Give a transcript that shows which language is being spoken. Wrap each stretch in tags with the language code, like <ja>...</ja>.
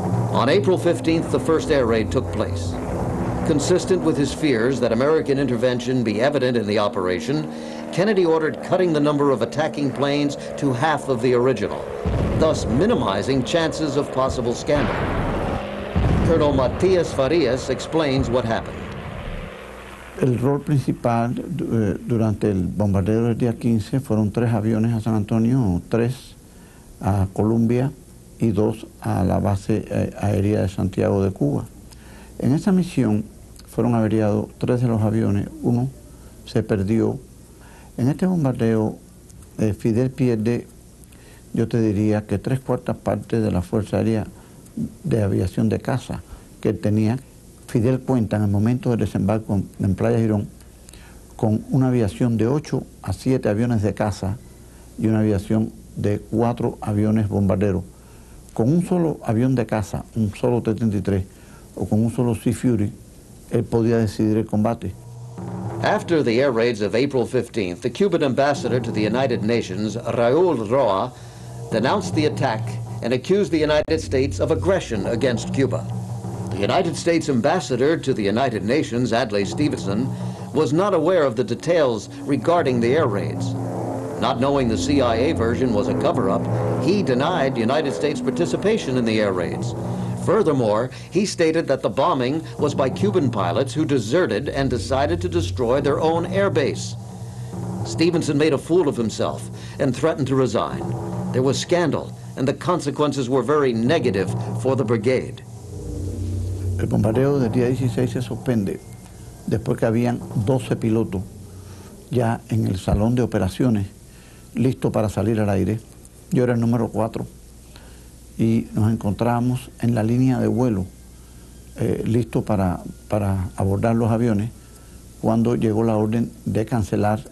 <en>On April 15th, the first air raid took place. Consistent with his fears that American intervention be evident in the operation, Kennedy ordered cutting the number of attacking planes to half of the original, thus minimizing chances of possible scandal. Colonel Matias Farias explains what happened.</en> <es>El rol principal durante el bombardeo del día 15 fueron tres aviones a San Antonio, tres a Colombia y dos a la base aérea de Santiago de Cuba. En esa misión fueron averiados tres de los aviones, uno se perdió En este bombardeo, Fidel pierde, yo te diría, que 3/4 partes de la Fuerza Aérea de Aviación de Caza que tenía. Fidel cuenta en el momento del desembarco en Playa Girón con una aviación de 8 a 7 aviones de caza y una aviación de 4 aviones bombarderos. Con un solo avión de caza, un solo T-33 o con un solo Sea Fury, él podía decidir el combate.</es> <en>After the air raids of April 15th, the Cuban ambassador to the United Nations, Raúl Roa, denounced the attack and accused the United States of aggression against Cuba. The United States ambassador to the United Nations, Adlai Stevenson, was not aware of the details regarding the air raids. Not knowing the CIA version was a cover-up, he denied United States participation in the air raids. Furthermore, he stated that the bombing was by Cuban pilots who deserted and decided to destroy their own air base. Stevenson made a fool of himself and threatened to resign. There was scandal, and the consequences were very negative for the brigade.</en> <es>El bombardeo del día 16 se suspende después que habían 12 pilotos ya en el salón de operaciones listo para salir al aire. Yo era el número 4 y nos encontrábamos en la línea de vuelo listo para abordar los aviones cuando llegó la orden de cancelar.</es>